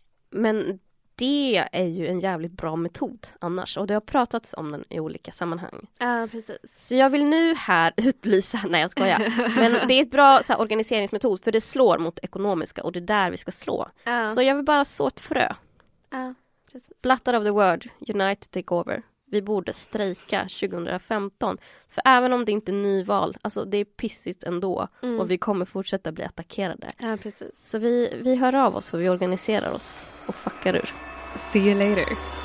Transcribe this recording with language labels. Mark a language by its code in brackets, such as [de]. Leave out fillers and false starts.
[sv] Men det är ju en jävligt bra metod annars. Och det har pratats om den i olika sammanhang. Ja, precis. Så jag vill nu här utlysa... Nej, jag skojar. Men det är ett bra så här, organiseringsmetod, för det slår mot ekonomiska. Och det är där vi ska slå. Så jag vill bara så ett frö. [en] Blattar of the world, unite, take over. [sv] Vi borde strejka 2015. För även om det inte är nyval, alltså det är pissigt ändå. Och vi kommer fortsätta bli attackerade. Ja, precis. Så vi hör av oss och vi organiserar oss och fuckar ur. [en] See you later.